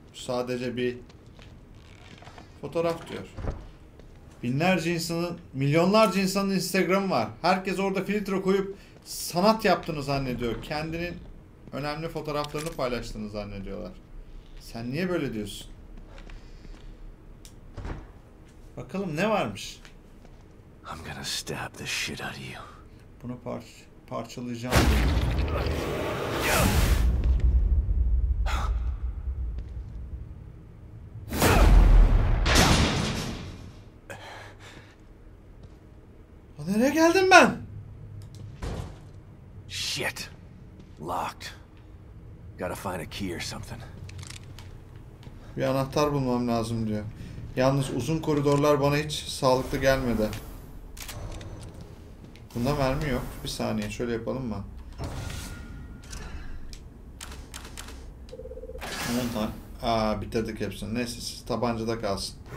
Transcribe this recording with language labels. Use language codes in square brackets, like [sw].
[tr] Sadece bir fotoğraf diyor. Binlerce insanın, milyonlarca insanın Instagram'ı var. Herkes orada filtre koyup sanat yaptığını zannediyor. Kendinin önemli fotoğraflarını paylaştığını zannediyorlar. Sen niye böyle diyorsun? Bakalım ne varmış? [en] I'm gonna stab the shit out of you. [tr] Bunu parçalayacağım. Nereye geldim ben? [en] Shit. Locked. Gotta find a key or something. [tr] Bir anahtar bulmam lazım diyor. Yalnız uzun koridorlar bana hiç sağlıklı gelmedi. Bunda mermi yok. Bir saniye şöyle yapalım mı? Bundan. Aa, bitirdik hepsini. Neyse siz tabancada kalsın.